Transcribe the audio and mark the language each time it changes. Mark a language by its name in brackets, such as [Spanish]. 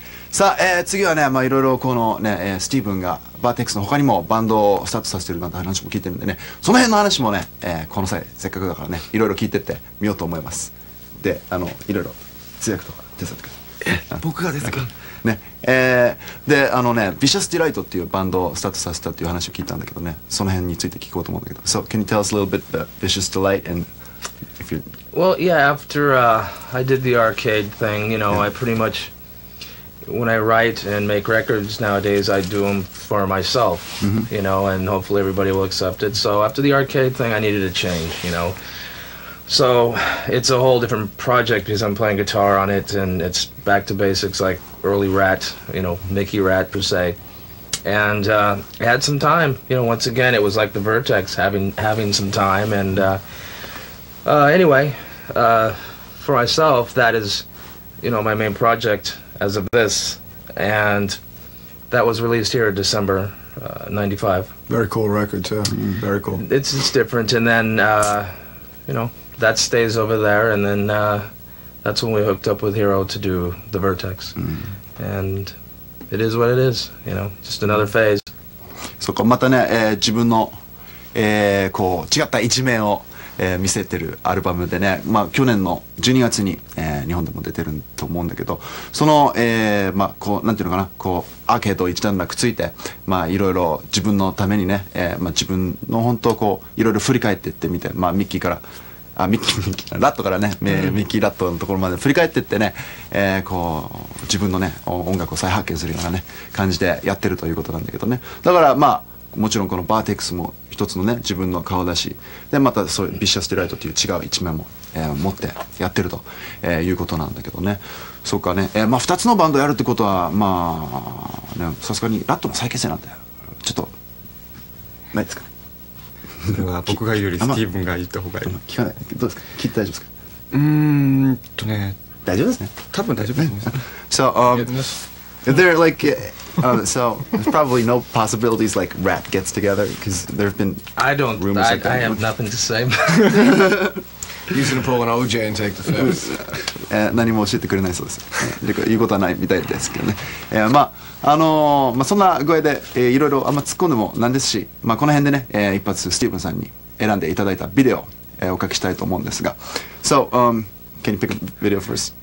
[Japanese] さあ、次はね、まあいろいろこのね、スティーブンがバーテックスの他にもバンドをスタートさせてるなんて話も聞いてるんでね、その辺の話もね、この際せっかくだからね、いろいろ聞いてってみようと思います。で、あのいろいろ通訳とか手伝ってください。僕がですか。ね、で、あのね、ビシャスディライトっていうバンドをスタートさせたっていう話を聞いたんだけどね、その辺について聞こうと思うんだけど。 [English] So can you tell us a little bit about Vicious Delight and if you? Well, yeah. After I did the arcade thing, you know, I pretty much. When I write and make records nowadays, I do them for myself, mm-hmm. you know, and hopefully everybody will accept it. So after the arcade thing, I needed a change, you know. So it's a whole different project because I'm playing guitar on it, and it's back to basics, like early Rat, you know, Mickey Rat, per se. And I had some time, you know, once again, it was like the Vertex, having some time. And for myself, that is, you know, my main project. As of this, and that was released here in December '95. Very cool record, too. Mm-hmm. Very cool. It's different, and then, you know, that stays over there, and then that's when we hooked up with Hero to do the Vertex. Mm-hmm. And it is what it is, you know, just another phase. [Japanese] そこまたね、自分の、こう違った一面を、見せてるアルバムでね、まあ、去年の12月に、日本でも出てると思うんだけど、その、まあ、こうなんていうのかな、こうアーケード一段落ついて、まあ、いろいろ自分のためにね、まあ、自分の本当こういろいろ振り返っていってみて、まあ、ミッキーからあミッキーラットからね、ミッキーラットのところまで振り返っていってね、こう自分のね音楽を再発見するようなね感じでやってるということなんだけどね。だからまあもちろんこのバーテックスも一つのね自分の顔だし、でまたそういうビシャスデライトという違う一面も、持ってやってると、いうことなんだけどね。そうかね、まあ2つのバンドやるってことはまあね、さすがにラットの再結成なんだよ、ちょっとないですか。では僕が言うよりスティーブンが言った方がいい、ま、聞かない、どうですか、聞いて大丈夫ですか。ね、大丈夫ですね、多分大丈夫です。 [English] そう、They're like, so there's probably no possibilities like Rat gets together because there have been rumors like that. I have nothing to say. He's going to pull an OJ and take the fifth. [Japanese] 何も教えてくれないそうです。言うことはないみたいですけどね。まあ、まあ、そんな具合で、いろいろあんま突っ込んでもなんですし、まあ、この辺でね、一発スティーブンさんに選んでいただいたビデオ、お書きしたいと思うんですが。 [English] So, can you pick a video first?